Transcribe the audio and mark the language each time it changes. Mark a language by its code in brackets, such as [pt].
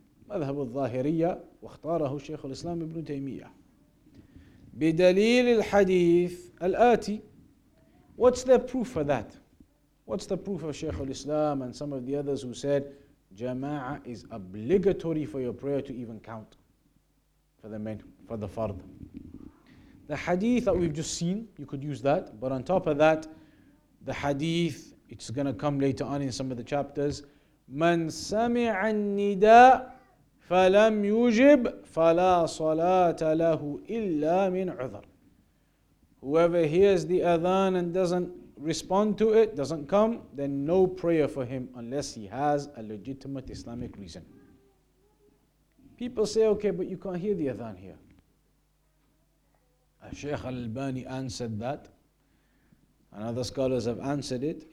[ar] مذهب الظاهرية واختاره شيخ الإسلام ابن تيمية بدليل الحديث الآتي. [en] What's the proof for that? What's the proof of Shaykh al-Islam and some of the others who said jama'ah is obligatory for your prayer to even count for the men, for the fard? The hadith that we've just seen, you could use that. But on top of that, the hadith, it's going to come later on in some of the chapters. [ar] من سمع النداء فلم يجب فلا صلاة له إلا من عذر. [en] Whoever hears the adhan and doesn't respond to it, doesn't come, then no prayer for him unless he has a legitimate Islamic reason. People say, okay, but you can't hear the adhan here. Shaykh al-Albani answered that, and other scholars have answered it.